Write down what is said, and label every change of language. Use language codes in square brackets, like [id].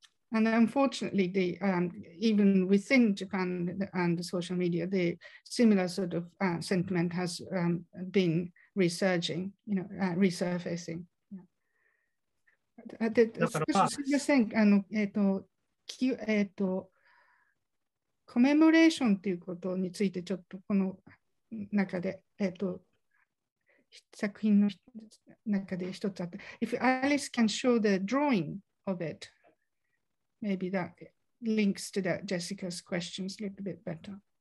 [en] And unfortunately, the even within Japan and the social media, the similar sort of sentiment has been resurging, you know, resurfacing. [ja] だから、まあ、すみません、コメモレーションということについてちょっとこの中で作品の中で一つあった。 [en] If Alice can show the drawing of it, maybe that links to that Jessica's questions a little bit better.